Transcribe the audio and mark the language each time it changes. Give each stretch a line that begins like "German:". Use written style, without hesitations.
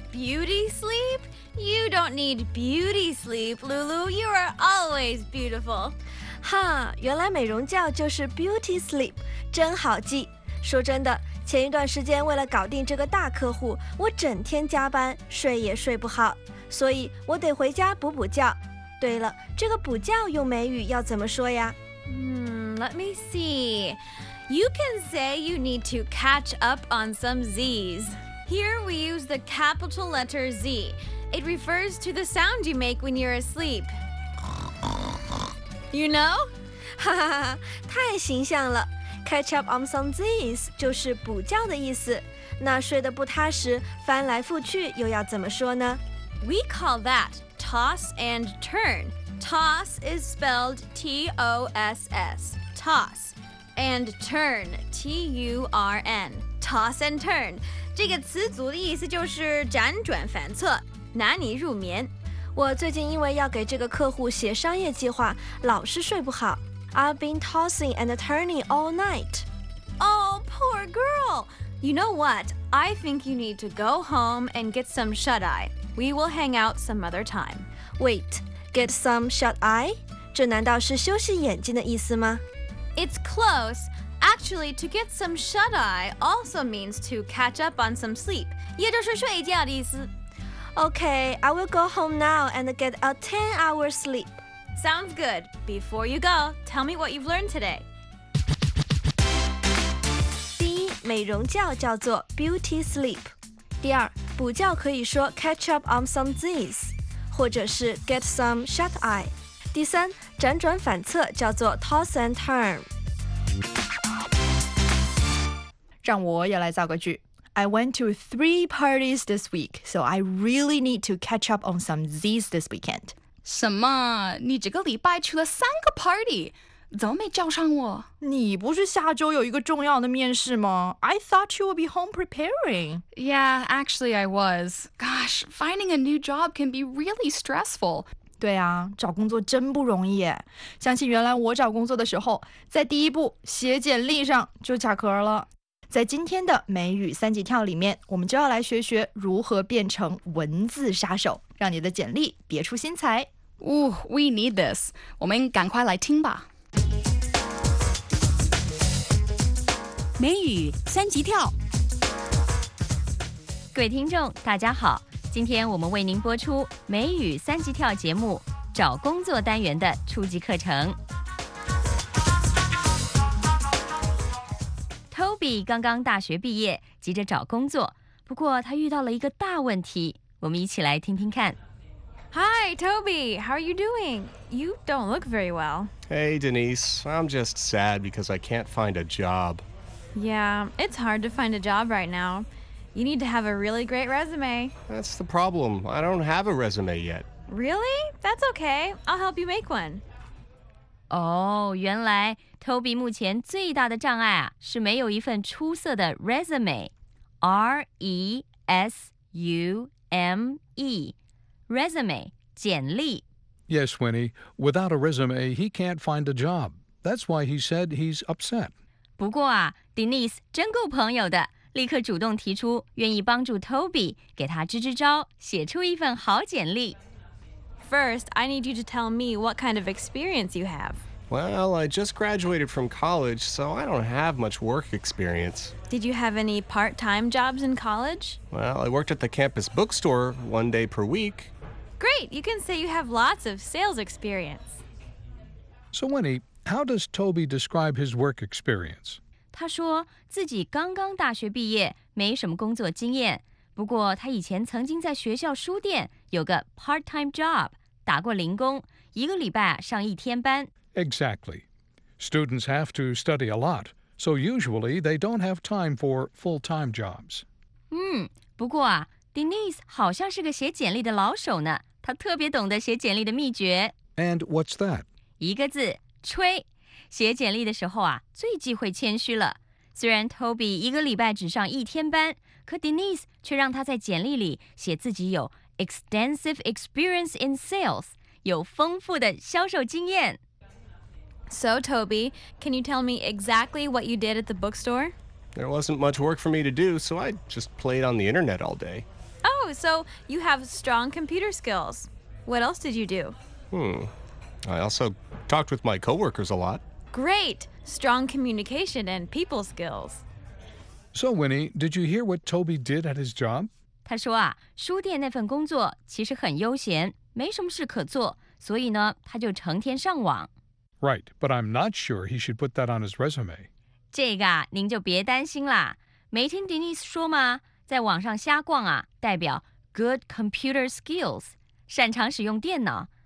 English: Beauty sleep? You don't need beauty sleep, Lulu. You are always beautiful.
Chinese: 哈，原来美容觉就是
English: beauty sleep，
Chinese: 真好记。说真的，前一段时间为了搞定这个大客户，我整天加班，睡也睡不好，所以我得回家补补觉。对了，这个补觉用美语要怎么说呀？
English: Let me see. You can say you need to catch up on some Z's. Here we use the capital letter Z. It refers to the sound you make when you're asleep. You know?
Chinese: 哈哈哈，太形象了。
English: Catch up on some Z's
Chinese: 就是补觉的意思。那睡得不踏实，翻来覆去又要怎么说呢？
English: We call that toss and turn. Toss is spelled T-O-S-S. Toss and turn. T-U-R-N. Toss and turn.
Chinese: 这个词组的意思就是辗转反侧，难以入眠。我最近因为要给这个客户写商业计划，老是睡不好。
English: I've been tossing and turning all night. Oh, poor girl. You know what? I think you need to go home and get some shut-eye. We will hang out some other time. Wait, get some shut-eye?
Chinese: 这难道是休息眼睛的意思吗？
English: It's close. Actually, to get some shut-eye also means to catch up on some sleep.
Chinese: 也就是睡觉的意思。
English: Okay, I will go home now and get a 10-hour sleep. Sounds good. Before you go, tell me what you've learned today.
Chinese: 第一，美容觉叫做
English: beauty sleep.
Chinese: 第二，补觉可以说
English: catch up on some Z's,
Chinese: 或者是
English: get some shut eye.
Chinese: 第三，辗转反侧叫做
English: toss and turn.
Chinese: 让我也来造个句。
English: I went to 3 parties this week, so I really need to catch up on some Z's this weekend.
Chinese: 什么？你这个礼拜去了3个 party， 怎么没叫上我？你不是下周有一个重要的面试吗？
English: I thought you would be home preparing. Yeah, actually I was. Gosh, finding a new job can be really stressful.
Chinese: 对啊，找工作真不容易。想起原来我找工作的时候，在第一步写简历上就卡壳了。在今天的美语三级跳里面，我们就要来学学如何变成文字杀手，让你的简历别出心裁。
English: Ooh, we need this.
Chinese: 我们赶快来听吧。美语三级跳。各位听众，大家好。今天我们为您播出美语三级跳节目找工作单元的初级课程。 Toby 刚刚大学毕业，急着找工作，不过他遇到了一个大问题，我们一起来听听看。
English: Hi, Toby, how are you doing? You don't look very well. Hey, Denise, I'm just sad because I can't find a job. Yeah, it's hard to find a job right now. You need to have a really great resume. That's the problem. I don't have a resume yet. Really? That's okay. I'll help you make one.
Chinese: 原来 Toby 目前最大的障碍啊，是没有一份出色的 resume， R-E-S-U-M-E， resume， 简历。
English: Yes, Winnie, without a resume, he can't find a job. That's why he said he's upset.
Chinese: 不过啊， Denise 真够朋友的，立刻主动提出愿意帮助 Toby， 给他支支招，写出一份好简历。
English: First, I need you to tell me what kind of experience you have. Well, I just graduated from college, so I don't have much work experience. Did you have any part-time jobs in college? Well, I worked at the campus bookstore one day per week. Great! You can say you have lots of sales experience. So, Winnie, how does Toby describe his work experience?
Chinese: 他说自己刚刚大学毕业，没什么工作经验。不过他以前曾经在学校书店有个
English: part-time job，
Chinese: 打过零工，一个礼拜上一天班。
English: Exactly. Students have to study a lot, so usually they don't have time for full-time jobs.
Chinese: 不过啊 ，Denise 好像是个写简历的老手呢，他特别懂得写简历的秘诀。
English: And what's that?
Chinese: 一个字，吹。写简历的时候啊，最忌讳谦虚了。虽然 Toby 一个礼拜只上一天班。可 Denise 却让他在简历里写自己有
English: extensive experience in sales，
Chinese: 有丰富的销售经验。
English: So Toby, can you tell me exactly what you did at the bookstore? There wasn't much work for me to do, so I just played on the internet all day. Oh, so you have strong computer skills. What else did you do? I also talked with my coworkers a lot. Great! Strong communication and people skills. So, Winnie, did you hear what Toby did at his job?
Chinese: 他说啊，书店那份工作其实很悠闲，没什么事可做，所以呢，他就成天上网。
English: Right, but I'm not sure he should put that on his resume.
Chinese: 这个啊，您就别担心啦。没听 Denise 说吗？在网上瞎逛啊，代表
English: good computer skills，
Chinese: 擅长使用电脑。